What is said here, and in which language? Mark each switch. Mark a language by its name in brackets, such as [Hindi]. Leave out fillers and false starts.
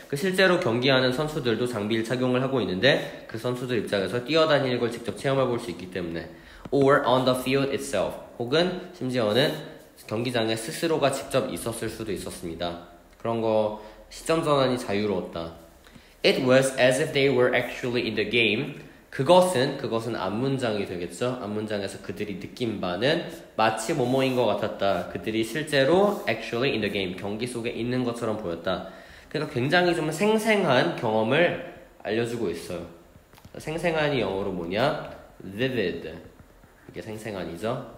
[Korean] 그 실제로 경기하는 선수들도 장비를 착용을 하고 있는데 그 선수들 입장에서 뛰어다니는 걸 직접 체험해 볼 수 있기 때문에 [English] or on the field itself [Korean] 혹은 심지어는 경기장에 스스로가 직접 있었을 수도 있었습니다. 그런 거 시점 전환이 자유로웠다. [English] It was as if they were actually in the game. [Korean] 그것은 앞문장이 되겠죠. 앞문장에서 그들이 느낀 바는 마치 뭐뭐인 것 같았다. 그들이 실제로 [English] actually in the game [Korean] 경기 속에 있는 것처럼 보였다. 그러니까 굉장히 좀 생생한 경험을 알려주고 있어요. 생생한이 영어로 뭐냐? Vivid. 이게 생생한이죠.